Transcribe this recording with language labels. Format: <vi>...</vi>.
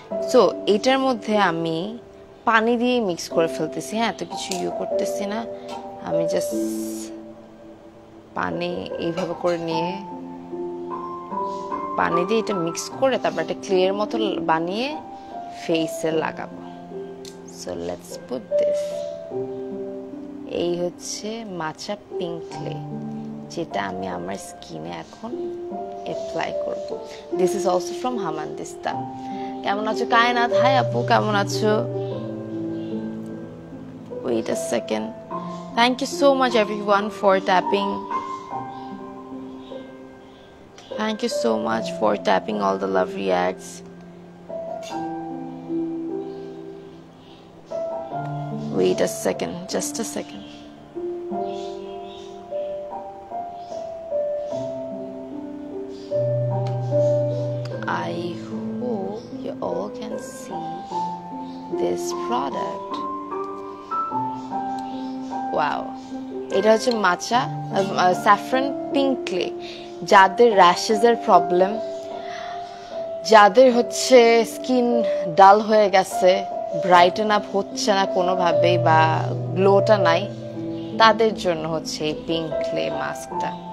<bn>So, etar modhe ami pani diye mix kore feltechi, ha eto kichu use kortechi na, ami just pani eibhabe kore niye পানি দিয়ে এটা mix করে তারপর একটা clear মতো বানিয়ে ফেসে লাগাবো। সো</bn> <en>let's put this,</en> <bn>এই হচ্ছে মাচা পিঙ্ক ক্লে যেটা আমি আমার স্কিনে এখন অ্যাপ্লাই করব।</bn> <en>This is also from হামান দিস্তা।</en> <bn>কেমন আছো</bn> <en>Kainat?</en> <bn>হাই আপু কেমন আছো?</bn> <en>Wait a second, thank you so much everyone for tapping. Thank you so much for tapping all the love reacts. Wait a second, just a second. I hope you all can see this product. Wow.</en> <bn>এটা হচ্ছে মাচা saffron পিঙ্কলি, যাদের র্যাশেজের problem, যাদের হচ্ছে skin ডাল হয়ে গেছে, brighten up হচ্ছে না কোনোভাবেই বা গ্লোটা নাই, তাদের জন্য হচ্ছে এই পিঙ্কলি মাস্কটা।</bn>